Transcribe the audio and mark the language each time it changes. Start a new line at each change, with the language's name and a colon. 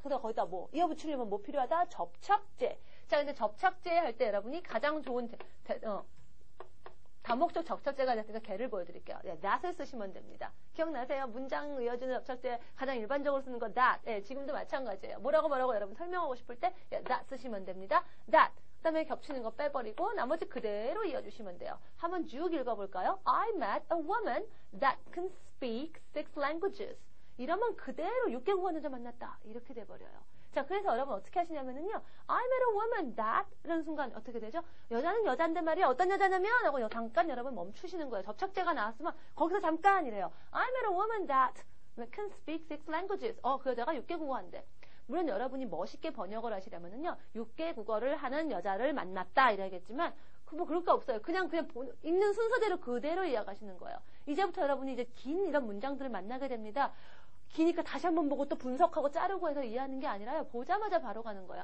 Korean: 그래서 거기다 뭐 이어붙이려면 뭐 필요하다? 접착제. 자, 근데 접착제 할 때 여러분이 가장 좋은 다목적 접착제가 됐으니까 걔를 보여드릴게요. 예, that을 쓰시면 됩니다. 기억나세요? 문장 이어주는 접착제 가장 일반적으로 쓰는 거 that. 예, 지금도 마찬가지예요. 뭐라고 뭐라고 여러분 설명하고 싶을 때 예, that 쓰시면 됩니다. that. 그 다음에 겹치는 거 빼버리고 나머지 그대로 이어주시면 돼요. 한번 쭉 읽어볼까요?
English: I met a woman that can speak six languages.
Korean: 이러면 그대로 6개국어 하는 여자 만났다. 이렇게 돼버려요. 자, 그래서 여러분 어떻게 하시냐면요.
English: I met a woman that
Korean: 이런 순간 어떻게 되죠? 여자는 여잔데 말이야. 어떤 여자냐면 하고 잠깐 여러분 멈추시는 거예요. 접착제가 나왔으면 거기서 잠깐 이래요.
English: I met a woman that can speak six languages.
Korean: 어, 그 여자가 6개국어 한대. 물론 여러분이 멋있게 번역을 하시려면은요, 6개 국어를 하는 여자를 만났다 이래야겠지만 뭐 그럴 거 없어요. 그냥 읽는 순서대로 그대로 이어가시는 거예요. 이제부터 여러분이 이제 긴 이런 문장들을 만나게 됩니다. 기니까 다시 한번 보고 또 분석하고 자르고 해서 이해하는 게 아니라요. 보자마자 바로 가는 거예요.